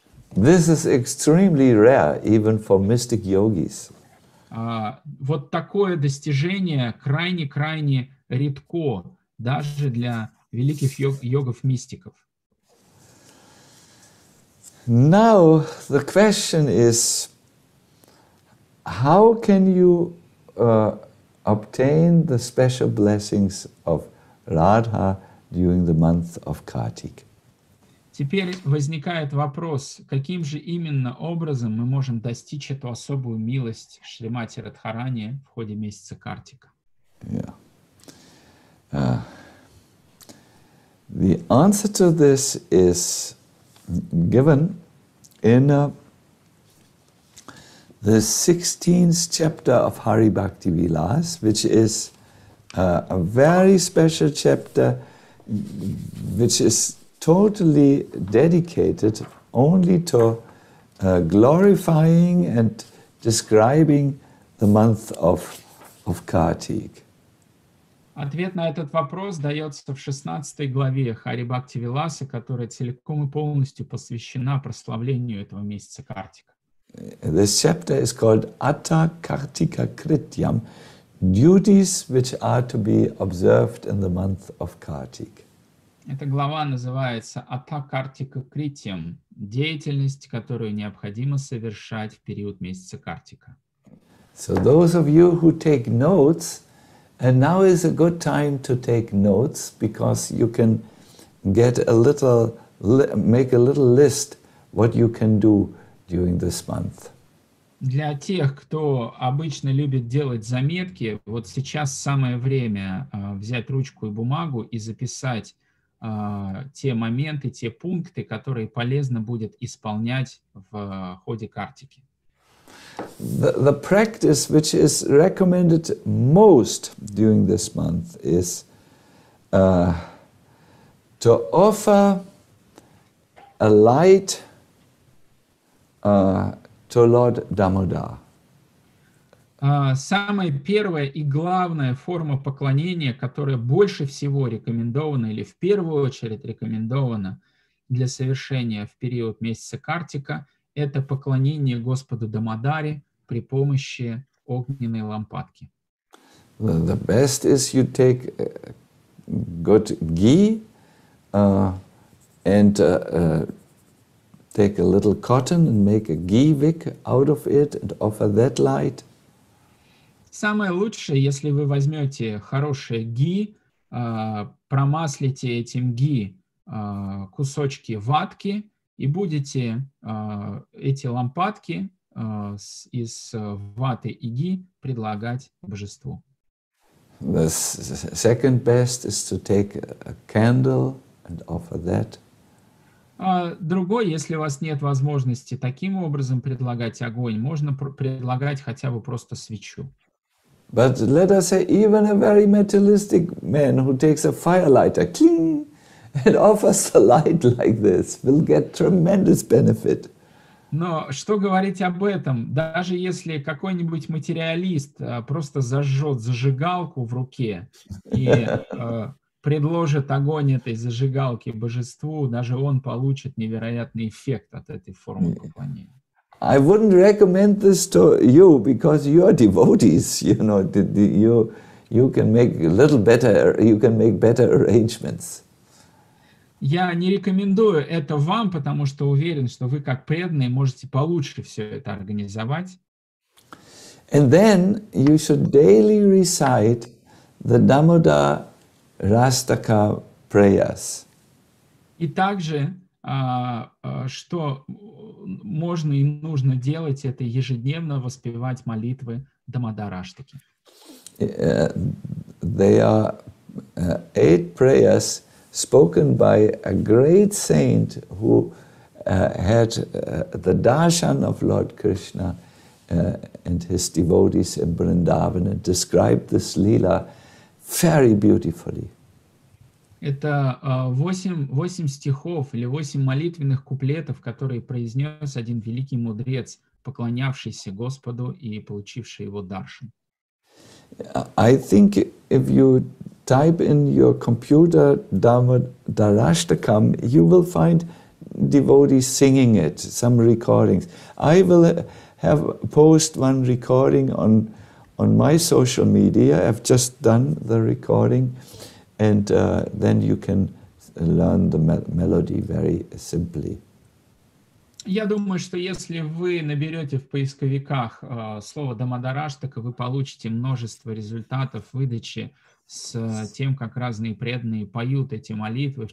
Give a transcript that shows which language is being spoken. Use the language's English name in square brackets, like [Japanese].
[English] This is extremely rare, even for mystic yogis. [Russian] Вот такое достижение крайне-крайне редко даже для великих йогов-мистиков. [English] Now the question is, how can you obtain the special blessings of Radha during the month of Kartik? [Russian] Теперь возникает вопрос, каким же именно образом мы можем достичь эту особую милость Шримати Радхарани в ходе месяца Картика? [English] Yeah. The answer to this is given in the 16th chapter of Hari Bhakti Vilas, which is a very special chapter, which is totally dedicated only to glorifying and describing the month of Kartik. [Russian] Ответ на этот вопрос дается в 16 главе Хари Бхакти Виласа, которая целиком и полностью посвящена прославлению этого месяца Картика. [English] This chapter is called Atta Kartika Krityam, duties which are to be observed in the month of Kartik. [Russian] Эта глава называется «Ата картика критиям» – деятельность, которую необходимо совершать в период месяца Картика. [English] So those of you who take notes, and now is a good time to take notes, because you can get a little, make a little list what you can do during this month. [Russian] Для тех, кто обычно любит делать заметки, вот сейчас самое время взять ручку и бумагу и записать те моменты, те пункты, которые полезно будет исполнять в ходе Картики. [English] The practice which is recommended most during this month is to offer a light to Lord Damodar. [Russian] Самая первая и главная форма поклонения, которая больше всего рекомендована или в первую очередь рекомендована для совершения в период месяца Картика, это поклонение Господу Дамодаре при помощи огненной лампадки. [English] The best is you take good ghee and take a little cotton and make a ghee wick out of it and offer that light. [Russian] Самое лучшее, если вы возьмете хорошее ги, промаслите этим ги кусочки ватки и будете эти лампадки из ваты и ги предлагать божеству. [English] The second best is to take a candle and offer that. [Russian] Другой, если у вас нет возможности таким образом предлагать огонь, можно предлагать хотя бы просто свечу. [English] But let us say even a very materialistic man who takes a fire lighter, cling, and offers a light like this will get tremendous benefit. [Russian] Но что говорить об этом? Даже если какой-нибудь материалист просто зажжет зажигалку в руке и предложит огонь этой зажигалки божеству, даже он получит невероятный эффект от этой формы поклонения. [English] I wouldn't recommend this to you because you are devotees, you know, you can make a little better, you can make better arrangements. [Russian] Я не рекомендую это вам, потому что уверен, что вы как преданные можете получше все это организовать. [English] And then you should daily recite the Damodar Rastaka prayers. [Russian] И также что можно и нужно делать, это ежедневно воспевать молитвы Дамодараштаки. [English] They are eight prayers spoken by a great saint who had the darshan of Lord Krishna and his devotees in Vrindavan and described this lila very beautifully. [Russian] Это восемь стихов или восемь молитвенных куплетов, которые произнес один великий мудрец поклонявшийся Господу и получивший его даршин. [English] I think if you type in your computer Dhamma Dharashtakam, you will find devotees singing it, some recordings. I will have post one recording on my social media. I've just done the recording, and then you can learn the melody very simply. [Russian] Я думаю, что если вы наберете в поисковиках слово Dhamma Dharashtaka, вы получите множество результатов выдачи с тем, как разные преданные поют эти молитвы.